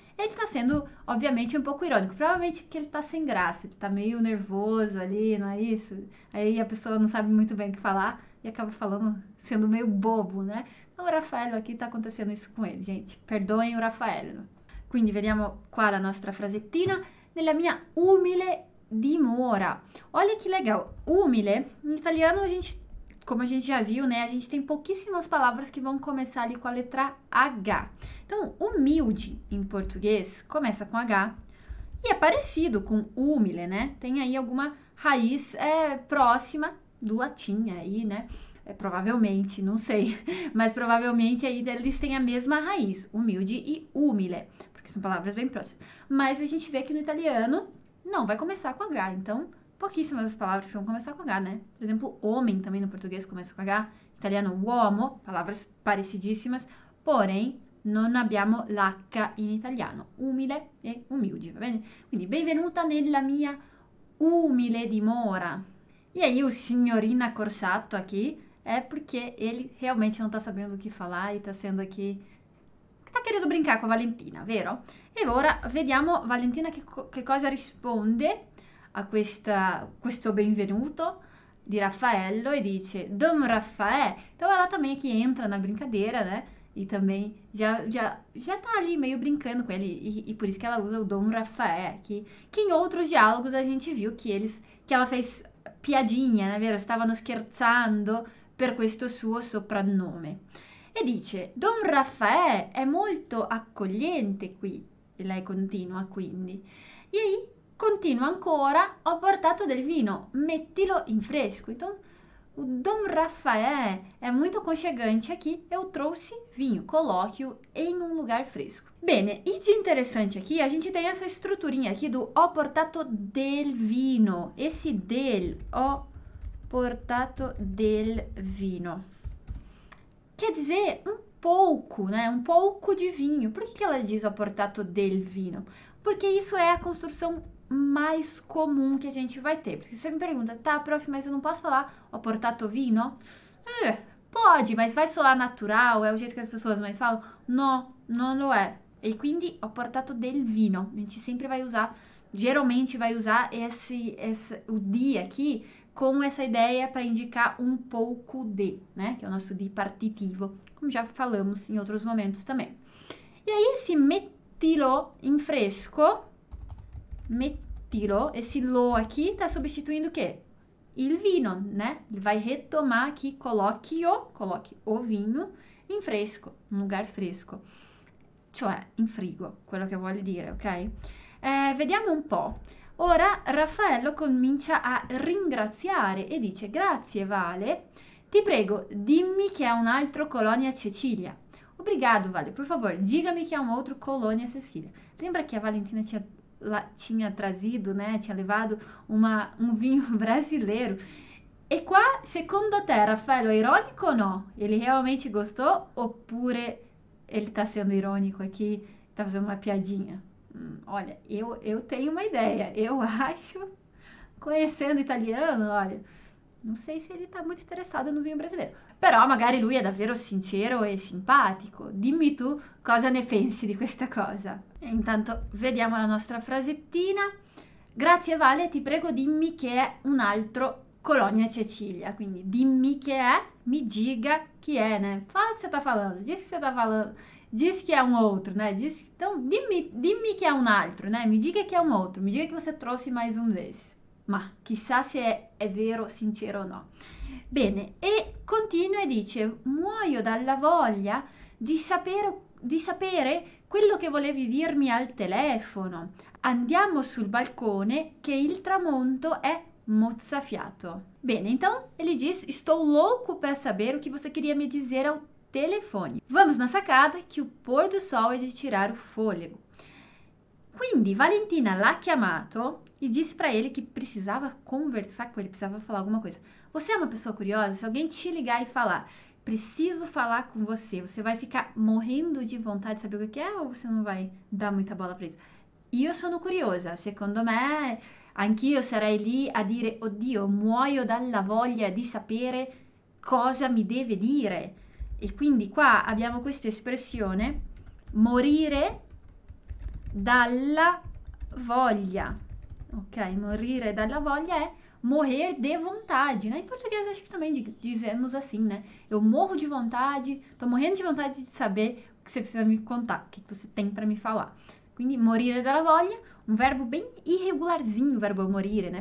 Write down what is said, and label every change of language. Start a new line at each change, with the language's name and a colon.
Portuguese: Ele está sendo, obviamente, um pouco irônico. Provavelmente que ele está sem graça, ele está meio nervoso ali, não é isso? Aí a pessoa não sabe muito bem o que falar e acaba falando, sendo meio bobo, né? O Raffaello aqui tá acontecendo isso com ele, gente. Perdoem o Raffaello.
Italian: Quindi, vediamo qua la nostra frasettina. Nella mia umile dimora.
Portuguese: Olha que legal. Umile, em italiano, a gente, como a gente já viu, né? A gente tem pouquíssimas palavras que vão começar ali com a letra H. Então, humilde, em português, começa com H. E é parecido com umile, né? Tem aí alguma raiz próxima do latim aí, né? É, provavelmente, não sei, mas provavelmente aí eles têm a mesma raiz, humilde e umile, porque são palavras bem próximas. Mas a gente vê que no italiano não vai começar com H, então pouquíssimas as palavras vão começar com H, né? Por exemplo, homem também no português começa com H, italiano uomo, palavras parecidíssimas, porém
Italian: non abbiamo l'H in italiano,
Portuguese: umile e humilde,
Italian: va bene? Quindi, benvenuta nella mia umile dimora.
Portuguese: E aí o signorina Corsatto aqui é porque ele realmente não tá sabendo o que falar e tá sendo aqui... Tá querendo brincar com a Valentina, vero?
Italian: E ora vediamo Valentina che cosa risponde a questo benvenuto di Raffaello e dice Don Raffaè.
Portuguese: Então ela também aqui entra na brincadeira, né? E também já tá ali meio brincando com ele e por isso que ela usa o Don Raffaè aqui. Que em outros diálogos a gente viu que ela fez... piadinha, né, vero?
Italian: Stavano scherzando per questo suo soprannome. E dice, Don Raffaè è molto accogliente qui. E lei continua, quindi.
Portuguese: E aí,
Italian: continua ancora, ho portato del vino, mettilo in fresco.
Portuguese: Então, o Don Raffaè è molto aconchegante aqui, eu trouxe vinho, coloque-o em um lugar fresco. Bene, e de interessante aqui, a gente tem essa estruturinha aqui do
Italian: ho portato del vino.
Portuguese: Esse del,
Italian: ho portato del vino.
Portuguese: Quer dizer, um pouco, né? Um pouco de vinho. Por que ela diz ho portato del vino? Porque isso é a construção mais comum que a gente vai ter. Porque você me pergunta, tá, prof, mas eu não posso falar
Italian: ho portato vino?
Portuguese: Pode, mas vai soar natural, é o jeito que as pessoas mais falam?
Italian: No, non lo è.
Portuguese: E quindi
Italian: ho portato del vino.
Portuguese: A gente sempre vai usar, geralmente vai usar o di aqui com essa ideia para indicar um pouco de, né? Que é o nosso di partitivo, como já falamos em outros momentos também. E aí esse
Italian: mettilo in fresco, mettilo,
Portuguese: esse lo aqui está substituindo o quê?
Italian: Il vino,
Portuguese: né? Ele vai retomar aqui, coloque o vinho
Italian: in fresco,
Portuguese: um lugar fresco.
Italian: Cioè, in frigo, quello che vuole dire, ok? Vediamo un po'. Ora Raffaello comincia a ringraziare e dice «Grazie, Vale, ti prego, dimmi che è un altro Colonia Cecilia». O
Portuguese: Obrigado, Vale. Por favor, diga-me que há um outro Colônia Cecília. Lembra que a Valentina tinha trazido, né? Tinha levado um vinho brasileiro.
Italian: E qua, secondo te,
Portuguese: Raffaello, é irônico ou não? Ele realmente gostou? Oppure ele tá sendo irônico aqui? Tá fazendo uma piadinha? Olha, eu tenho uma ideia. Eu acho, conhecendo italiano, olha, não sei se ele tá muito interessado no vinho brasileiro.
Italian: Però magari lui è davvero sincero e simpatico. Dimmi tu cosa ne pensi di questa cosa. E intanto vediamo la nostra frasettina. Grazie Vale, ti prego dimmi che è un altro Colonia Cecilia. Quindi dimmi che è, mi diga chi è, né? Fala che sta falando, dis che sta falando.
Portuguese: Diz que é um outro, né? Diz, então, dimmi que é um outro, né? Me diga que é um outro. Me diga que você trouxe mais um desses. Mas, chissà se é vero, sincero ou não.
Italian: Bene, e continua e dice: muoio dalla voglia di sapere quello che volevi dirmi al telefono. Andiamo sul balcone che il tramonto è mozzafiato.
Portuguese: Bene, então, ele diz: estou louco para saber o que você queria me dizer ao telefone. Vamos na sacada, que o pôr do sol é de tirar o fôlego.
Italian: Quindi, Valentina l'ha chiamato e disse
Portuguese: para ele que precisava conversar com ele, precisava falar alguma coisa. Você é uma pessoa curiosa? Se alguém te ligar e falar, preciso falar com você, você vai ficar morrendo de vontade de saber o que é ou você não vai dar muita bola para isso?
Italian: Io sono curiosa, secondo me, anch'io sarei lì a dire, oddio, muoio dalla voglia di sapere cosa mi deve dire. E quindi qua abbiamo questa espressione, morire dalla voglia, ok? Morire dalla voglia è
Portuguese: morrer de vontade, né? In português acho que também dizemos assim, né? Eu morro de vontade, tô morrendo de vontade de saber o que você precisa me contar, o que você tem para me falar.
Italian: Quindi morire dalla voglia,
Portuguese: um verbo bem irregularzinho, o verbo morire, né?